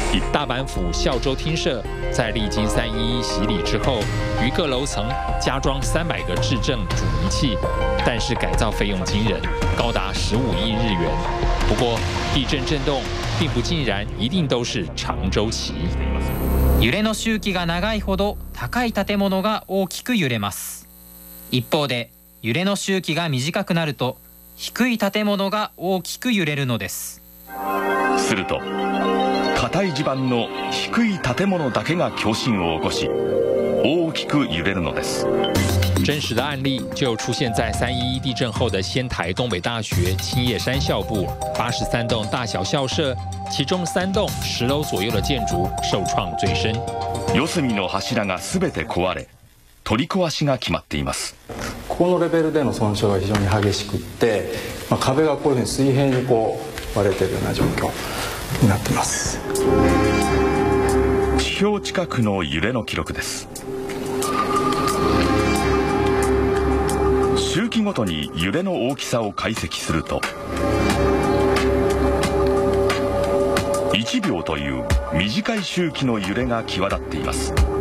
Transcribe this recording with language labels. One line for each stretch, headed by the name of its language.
Chinese: 大阪府孝州厅舍在历经311洗礼之后于各楼层加装300个制震阻尼器但是改造费用惊人高达15亿日元不过地震震动并不尽然一定都是长周期
Japanese: 揺れの周期が長いほど高い建物が大きく揺れます一方で揺れの周期が短くなると低い建物が大きく揺れるのですすると硬い地盤の低い建物だけが共振を起こし大きく揺れるのです
Chinese: 真实的案例就出现在311地震后的仙台东北大学青叶山校部83栋大小校舍其中3栋10楼左右的建筑受创最深
Japanese: 四隅の柱が全て壊れ取り壊しが決まっていますここのレベルでの損傷が非常に激しくって、まあ、壁がこういうふうに水平にこう割れているような状況になってます地表近くの揺れの記録です周期ごとに揺れの大きさを解析すると1秒という短い周期の揺れが際立っています